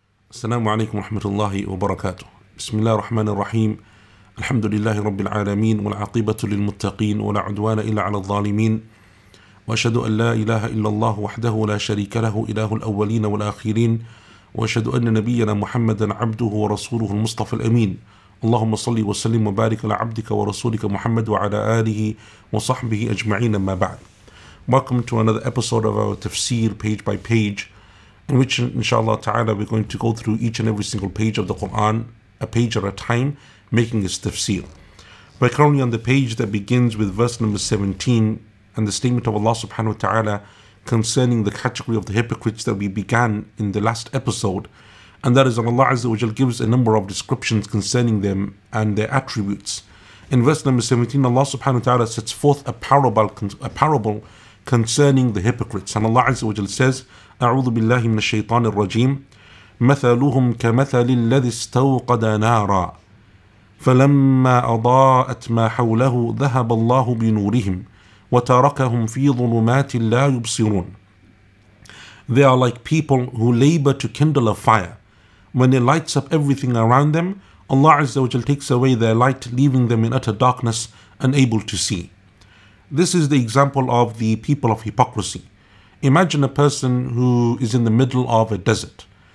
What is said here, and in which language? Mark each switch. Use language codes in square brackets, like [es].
[ar] السلام عليكم ورحمة الله وبركاته بسم الله الرحمن الرحيم الحمد لله رب العالمين والعاقبة للمتقين ولا عدوان إلا على الظالمين وأشهد أن لا إله إلا الله وحده لا شريك له إله الأولين والآخرين وأشهد أن نبينا محمدا عبده ورسوله المصطفى الأمين اللهم صل وسلم وبارك على عبدك ورسولك محمد وعلى آله وصحبه أجمعين أما بعد. [en] Welcome to another episode of our Tafseer page by page, in which inshallah ta'ala we're going to go through each and every single page of the Quran, a page at a time, making its tafsir. We're currently on the page that begins with verse number 17 and the statement of Allah subhanahu wa ta'ala concerning the category of the hypocrites that we began in the last episode, and that is that Allah Azza wa Jal gives a number of descriptions concerning them and their attributes. In verse number 17, Allah subhanahu wa ta'ala sets forth a parable concerning the hypocrites, and Allah Azza wa Jal says, [ar] أعوذ بالله من الشيطان الرجيم مثلهم كمثل الذي استوقد نارا فلما أضاءت ما حوله ذهب الله بنورهم وَتَرَكَهُمْ فِي ظُلُمَاتِ لَا يُبْصِرُونَ. [en] They are like people who labor to kindle a fire. When it lights up everything around them, Allah Azza wa Jal takes away their light, leaving them in utter darkness, unable to see. This is the example of the people of hypocrisy. Imagine a person who is in the middle of a desert.